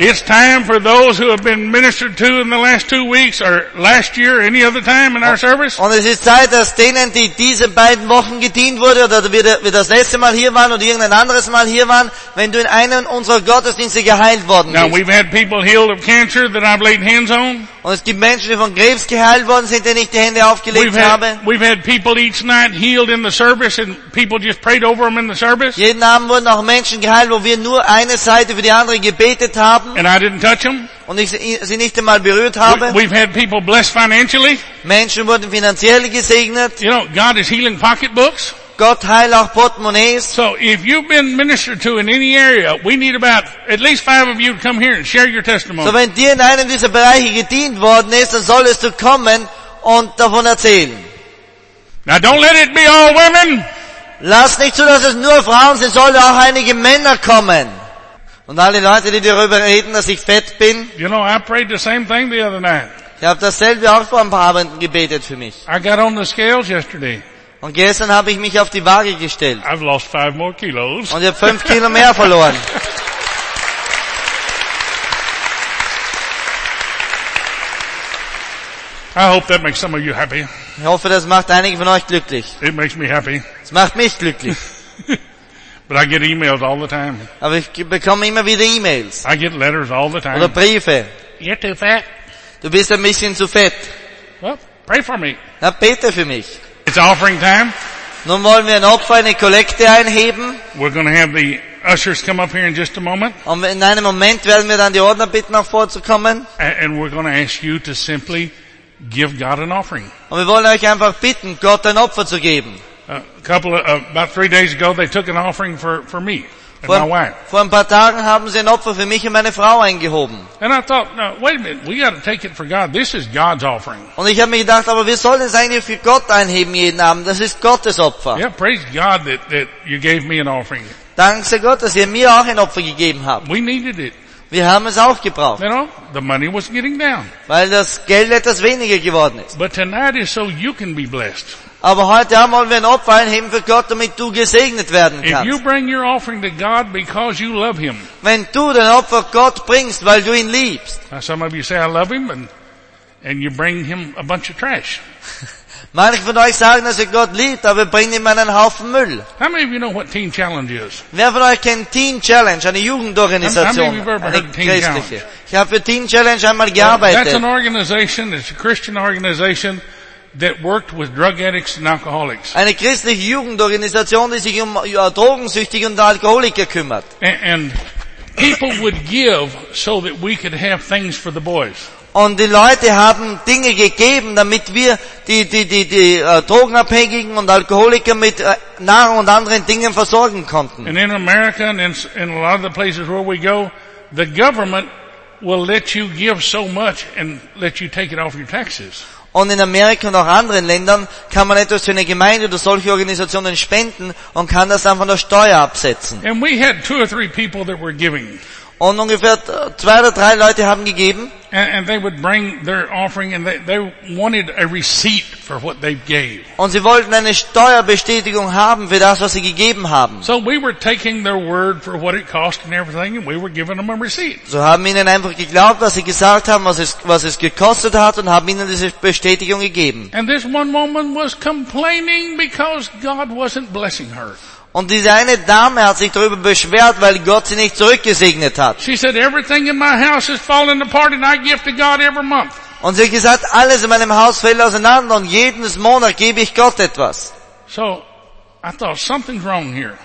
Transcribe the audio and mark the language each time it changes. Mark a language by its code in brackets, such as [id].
[en] It's time for those who have been ministered to in the last 2 weeks or last year, any other time in our service. [de] Und es ist Zeit, dass denen, die diese beiden Wochen gedient wurde oder wir das letzte Mal hier waren oder irgendein anderes Mal hier waren, wenn du in einem unserer Gottesdienste geheilt worden bist. [en] Now we've had people healed of cancer that I've laid hands on. [de] Und es gibt Menschen, die von Krebs geheilt worden sind, denen ich die Hände aufgelegt habe. [en] We've had people each night healed in the service and people just prayed over them in the service. [de] Jeden Abend wurden auch Menschen geheilt, wo wir nur eine Seite für die andere gebetet haben. [en] And I didn't touch them. [de] Und ich sie nicht einmal berührt habe. [en] We've had people blessed financially. [de] Menschen wurden finanziell gesegnet. [en] You know, God is healing pocketbooks. [de] Gott heilt auch Portemonnaies. [en] So if you've been ministered to in any area, we need about at least 5 of you to come here and share your testimony. [de] So wenn dir in einem dieser Bereiche gedient worden ist, dann solltest du kommen und davon erzählen. [en] Now don't let it be all women. [de] Lass nicht zu, dass es nur Frauen sind, sollen auch einige Männer kommen. Und alle Leute, die darüber reden, dass ich fett bin. [en] You know, I prayed the same thing the other night. [de] Ich habe dasselbe auch vor ein paar Abenden gebetet für mich. [en] I got on the scales yesterday. [de] Und gestern habe ich mich auf die Waage gestellt. [en] I've lost 5 more kilos. [de] Und ich habe 5 Kilo mehr verloren. [en] I hope that makes some of you happy. [de] Ich hoffe, das macht einige von euch glücklich. [en] It makes me happy. [de] Es macht mich glücklich. [en] But I get emails all the time. [de] Aber ich bekomme immer wieder E-Mails. [en] I get letters all the time. [de] Oder Briefe. [en] You're too fat. [de] Du bist ein bisschen zu fett. [en] Well, pray for me. [de] Na, bete für mich. [en] It's offering time. [de] Nun wollen wir ein Opfer, eine Kollekte einheben. [en] We're going to have the ushers come up here in just a moment. [de] Und in einem Moment werden wir dann die Ordner bitten, auch vorzukommen. [en] And we're going to ask you to simply give God an offering. [de] Und wir wollen euch einfach bitten, Gott ein Opfer zu geben. [en] About 3 days ago, they took an offering for me and my wife. [de] Vor ein paar Tagen haben sie ein Opfer für mich und meine Frau eingehoben. [en] And I thought, no, wait a minute, we got to take it for God. This is God's offering. [de] Und ich habe mir gedacht, aber wir sollen es eigentlich für Gott einheben jeden Abend. Das ist Gottes Opfer. [en] Yeah, praise God that you gave me an offering. [de] Danke Gott, dass ihr mir auch ein Opfer gegeben habt. [en] We needed it. [de] Wir haben es auch gebraucht. [en] You know, the money was getting down. [de] Weil das Geld etwas weniger geworden ist. [en] But tonight is so you can be blessed. [de] Aber heute Abend wollen wir ein Opfer einheben für Gott, damit du gesegnet werden kannst. [en] If you bring your offering to God because you love him. [de] Wenn du dein Opfer Gott bringst, weil du ihn liebst. [en] Now some of you say I love him and you bring him a bunch of trash. [de] Manche von euch sagen, dass ihr Gott liebt, aber wir bringen ihm einen Haufen Müll. [en] How many of you know what Teen Challenge is? [de] Wer von euch kennt Teen Challenge, eine Jugendorganisation? Eine christliche. Ich habe für Teen Challenge einmal gearbeitet. [en] That's an organization, it's a Christian organization that worked with drug addicts and alcoholics. [de] Eine christliche Jugendorganisation, die sich um Drogensüchtige und Alkoholiker kümmert. [en] And people would give so that we could have things for the boys. [de] Und die Leute haben Dinge gegeben, damit wir die Drogenabhängigen und Alkoholiker mit Nahrung und anderen Dingen versorgen konnten. [en] And in America and in a lot of the places where we go, the government will let you give so much and let you take it off your taxes. [de] Und in Amerika und auch anderen Ländern kann man etwas für eine Gemeinde oder solche Organisationen spenden und kann das dann von der Steuer absetzen. [en] And we had two or three people that were giving. [de] Und ungefähr zwei oder drei Leute haben gegeben. [en] And they would bring their offering and they wanted a receipt for what they gave. [de] Und sie wollten eine Steuerbestätigung haben für das, was sie gegeben haben. [en] So we were taking their word for what it cost and everything and we were giving them a receipt. [de] So haben ihnen einfach geglaubt, was sie gesagt haben, was es gekostet hat und haben ihnen diese Bestätigung gegeben. [en] And this one woman was complaining because God wasn't blessing her. [de] Und diese eine Dame hat sich darüber beschwert, weil Gott sie nicht zurückgesegnet hat. [en] She said, "Everything in my house is falling apart and I give to God every month." [de] Und sie hat gesagt, alles in meinem Haus fällt auseinander und jeden Monat gebe ich Gott etwas. [en] So, I thought something's wrong here.